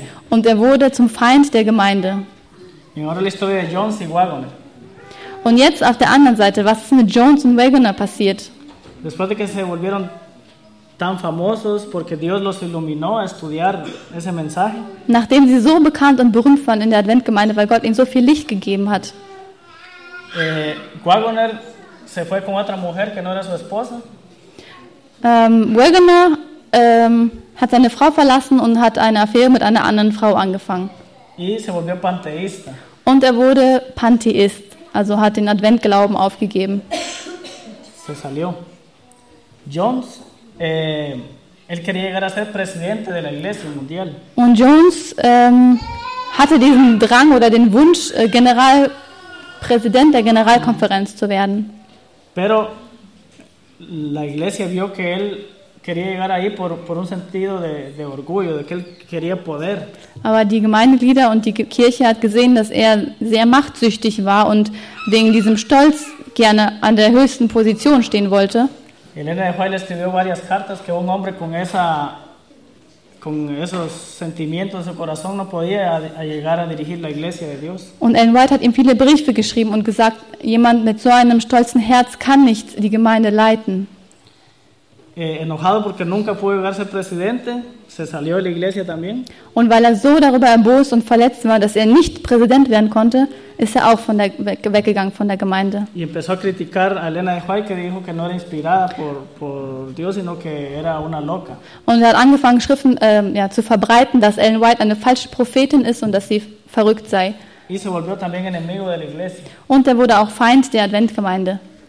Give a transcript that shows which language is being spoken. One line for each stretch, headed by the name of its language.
German: Und er wurde zum Feind der Gemeinde. Und jetzt auf der anderen Seite, was ist mit Jones und Wagoner passiert?
Spanish: Después de que se volvieron tan famosos porque Dios los iluminó a estudiar ese mensaje.
German: Nachdem sie so bekannt und berühmt waren in der Adventgemeinde, weil Gott ihnen so viel Licht gegeben hat.
Spanish: Wagoner se fue con otra mujer que no era su esposa.
German: Wagoner hat seine Frau verlassen und hat eine Affäre mit einer anderen Frau angefangen.
Spanish: Y se volvió panteísta.
German: Und er wurde Pantheist, also hat den Adventglauben aufgegeben.
Spanish: Se salió. Jones, él quería llegar a ser presidente de la Iglesia Mundial.
German: Und Jones hatte diesen Drang oder den Wunsch, Generalpräsident der Generalkonferenz zu werden.
Spanish: Pero la Iglesia vio que él quería llegar ahí por un sentido de orgullo, de que él quería poder.
German: Aber die Gemeindeglieder und die Kirche hat gesehen, dass er sehr machtsüchtig war und wegen diesem Stolz gerne an der höchsten Position stehen wollte.
Spanish: Elena de White escribió varias cartas que un hombre con esos sentimientos en su corazón no podía llegar a dirigir la iglesia de Dios.
German: Und Ellen White hat ihm viele Briefe geschrieben und gesagt, jemand mit so einem stolzen Herz kann nicht die Gemeinde leiten.
Spanish: Enojado porque nunca pudo llegar a ser presidente, se salió de la iglesia también.
German: Und weil er so darüber erbost und verletzt war, dass er nicht Präsident werden konnte, ist er auch weggegangen von der Gemeinde.
Spanish: Y empezó a criticar a Elena de White, que dijo que no era inspirada por Dios, sino que era una loca.
German: Und er hat angefangen, Schriften zu verbreiten, dass Ellen White eine falsche Prophetin ist und dass sie verrückt sei.
Spanish: Y se volvió también enemigo de la iglesia.
German: Und er wurde auch Feind der Adventgemeinde.